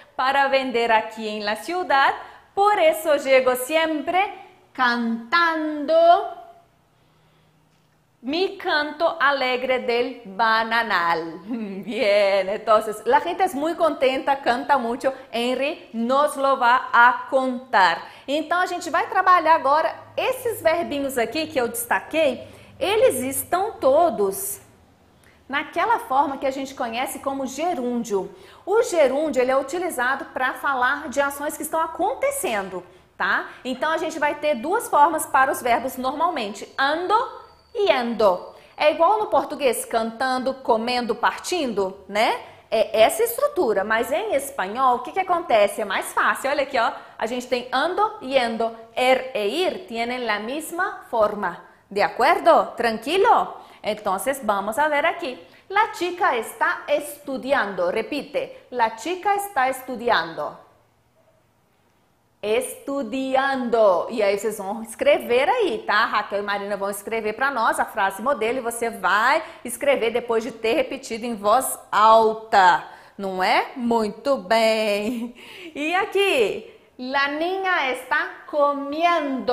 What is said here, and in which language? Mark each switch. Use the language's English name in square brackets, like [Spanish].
[Spanish] Para vender aquí en la ciudad, por eso llego siempre cantando mi canto alegre del bananal. Bien, entonces, la gente es muy contenta, canta mucho. Henry nos lo va a contar. [Portuguese] Então, a gente vai trabalhar agora esses verbinhos aqui que eu destaquei. Eles estão todos naquela forma que a gente conhece como gerúndio. O gerúndio, ele é utilizado para falar de ações que estão acontecendo, tá? Então, a gente vai ter duas formas para os verbos normalmente. Ando e ando. É igual no português, cantando, comendo, partindo, né? É essa estrutura, mas em espanhol, o que que acontece? É mais fácil, olha aqui, ó. A gente tem ando e ando. [Spanish] Er e ir tienen la misma forma. De acuerdo? Tranquilo? Entonces, vamos a ver aquí. La chica está estudiando. Repite. La chica está estudiando. Estudiando. [Portuguese] E aí vocês vão escrever aí, tá? Raquel e Marina vão escrever para nós a frase modelo e você vai escrever depois de ter repetido em voz alta. Não é? Muito bem. E aqui? [Spanish] La niña está comiendo.